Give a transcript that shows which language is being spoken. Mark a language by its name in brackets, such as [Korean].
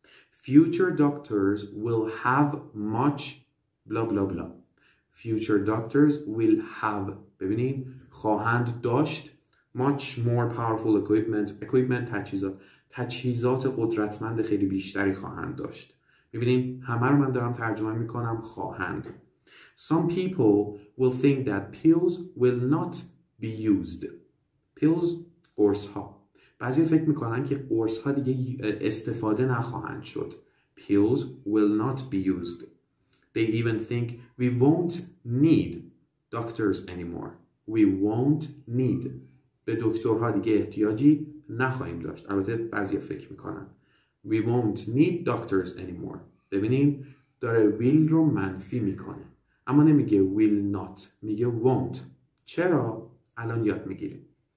[English] Future doctors will have much blah blah blah. Future doctors will have [Persian] ببینید خواهند داشت [English] much more powerful equipment [Persian] تجهیزات قدرتمند خیلی بیشتری خواهند داشت. ببینید همه رو من دارم ترجمه میکنم خواهند. [English] Some people will think that pills will not be used. [Persian] Pills قرص ها. بعضی فکر میکنن که قرص ها دیگه استفاده نخواهند شد. [English] Pills will not be used. They even think we won't need doctors anymore. We won't need. [Persian] به دکترها دیگه احتیاجی نخواهیم داشت. البته بعضی فکر میکنن. [English] We won't need doctors anymore. [Persian] ببینیم داره will رو منفی میکنه. اما نمیگه will not. میگه won't. چرا؟ الان یاد میگیریم.